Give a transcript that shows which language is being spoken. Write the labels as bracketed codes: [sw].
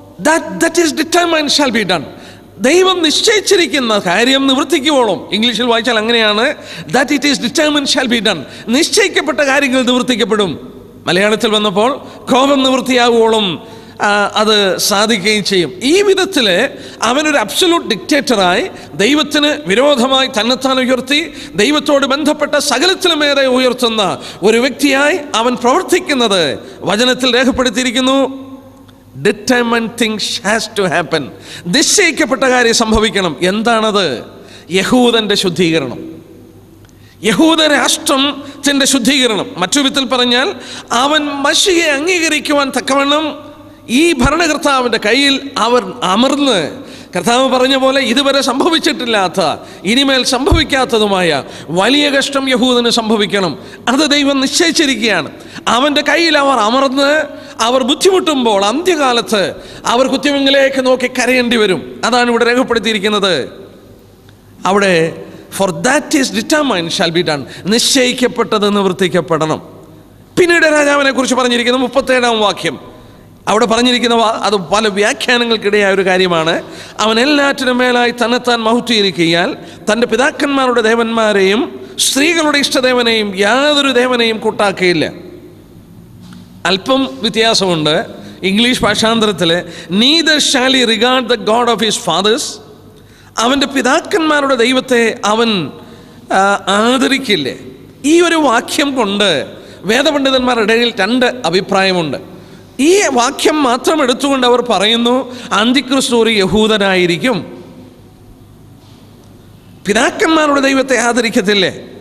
[en] For that is determined shall be done. [ml] ദൈവം നിശ്ചയിച്ചിരിക്കുന്ന കാര്യം നിവർത്തിക്കുവോളം. ഇംഗ്ലീഷിൽ വായിച്ചാൽ അങ്ങനെയാണ്, [en] that it is determined shall be done. [ml] നിശ്ചയിക്കപ്പെട്ട കാര്യങ്ങൾ നിവർത്തിക്കപ്പെടും. മലയാളത്തിൽ വന്നപ്പോൾ കോപം നിവൃത്തിയാകുവോളം അത് സാധിക്കുകയും ചെയ്യും. ഈ വിധത്തിൽ അവനൊരു അബ്സല്യൂട്ട് ഡിക്റ്റേറ്ററായി ദൈവത്തിന് വിരോധമായി തന്നെത്താൻ ഉയർത്തി ദൈവത്തോട് ബന്ധപ്പെട്ട സകലത്തിലുമേറെ ഉയർത്തുന്ന ഒരു വ്യക്തിയായി അവൻ പ്രവർത്തിക്കുന്നത് വചനത്തിൽ രേഖപ്പെടുത്തിയിരിക്കുന്നു. [en] Determined things has to happen. [ml] നിശ്ചയിക്കപ്പെട്ട കാര്യം സംഭവിക്കണം. എന്താണത്? യഹൂദന്റെ ശുദ്ധീകരണം, യഹൂദരാഷ്ട്രത്തിന്റെ ശുദ്ധീകരണം. മറ്റു വിധത്തിൽ പറഞ്ഞാൽ, അവൻ മശിഹയെ അംഗീകരിക്കുവാൻ തക്കവണ്ണം ഈ ഭരണകർത്താവിൻ്റെ കയ്യിൽ അവർ അമർന്ന് കർത്താവ് പറഞ്ഞ പോലെ ഇതുവരെ സംഭവിച്ചിട്ടില്ലാത്ത ഇനിമേൽ സംഭവിക്കാത്തതുമായ വലിയ കഷ്ടം യഹൂദന് സംഭവിക്കണം. അത് ദൈവം നിശ്ചയിച്ചിരിക്കുകയാണ്. അവൻ്റെ കയ്യിൽ അവർ അമർന്ന് അവർ ബുദ്ധിമുട്ടുമ്പോൾ അന്ത്യകാലത്ത് അവർ കുത്തിമുങ്ങലേക്ക് നോക്കി കരയേണ്ടി വരും. അതാണ് ഇവിടെ രേഖപ്പെടുത്തിയിരിക്കുന്നത്. അവിടെ [en] for that is determined shall be done, [ml] നിശ്ചയിക്കപ്പെട്ടത് നിവർത്തിക്കപ്പെടണം. പിന്നീട് രാജാവിനെ കുറിച്ച് പറഞ്ഞിരിക്കുന്നു 37-ാം വാക്യം. അവിടെ പറഞ്ഞിരിക്കുന്ന അത് പല വ്യാഖ്യാനങ്ങൾക്കിടെയായ ഒരു കാര്യമാണ്. അവൻ എല്ലാറ്റിനും മേലായി തന്നെത്താൻ മഹത്വീകരിക്കയാൽ തൻ്റെ പിതാക്കന്മാരുടെ ദേവന്മാരെയും സ്ത്രീകളുടെ ഇഷ്ടദേവനെയും യാതൊരു ദേവനെയും കൂട്ടാക്കുകയില്ല. അല്പം വ്യത്യാസമുണ്ട് English ഭാഷാന്തരത്തിൽ. [en] Neither shall he regard the God of his fathers. [ml] അവൻ്റെ പിതാക്കന്മാരുടെ ദൈവത്തെ അവൻ ആദരിക്കില്ലേ. ഈ ഒരു വാക്യം കൊണ്ട് വേദപണ്ഡിതന്മാരുടെ ഇടയിൽ 2 അഭിപ്രായമുണ്ട്. ഈ വാക്യം മാത്രം എടുത്തുകൊണ്ട് അവർ പറയുന്നു, അന്തിക്രിസ്തു ഒരു യഹൂദനായിരിക്കും, പിതാക്കന്മാരുടെ ദൈവത്തെ ആദരിക്കത്തില്ലേ.